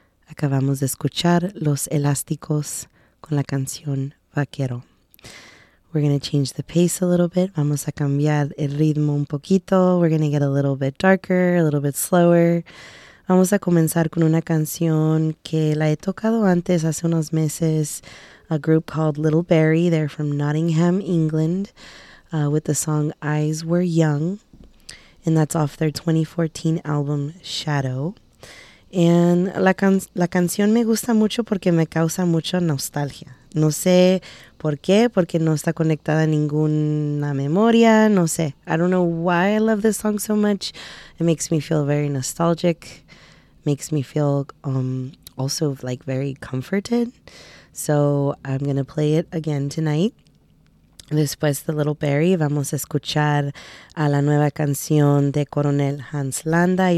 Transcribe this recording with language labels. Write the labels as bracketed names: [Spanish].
[Spanish] Acabamos de escuchar Los Elásticos con la canción Vaquero. [English] We're going to change the pace a little bit. [Spanish] Vamos a cambiar el ritmo un poquito. [English] We're going to get a little bit darker, a little bit slower. [Spanish] Vamos a comenzar con una canción que la he tocado antes, hace unos meses, [English] a group called [Spanish] Little Berry. [English] They're from Nottingham, England, with the song Eyes Were Young, and that's off their 2014 album Shadow. [Spanish] And la canción me gusta mucho porque me causa mucha nostalgia. No sé por qué, porque no está conectada a ninguna memoria, no sé. [English] I don't know why I love this song so much. It makes me feel very nostalgic. Makes me feel also like very comforted. So I'm going to play it again tonight. [Spanish] Después de Little Berry, vamos a escuchar a la nueva canción de Coronel Hans Landa.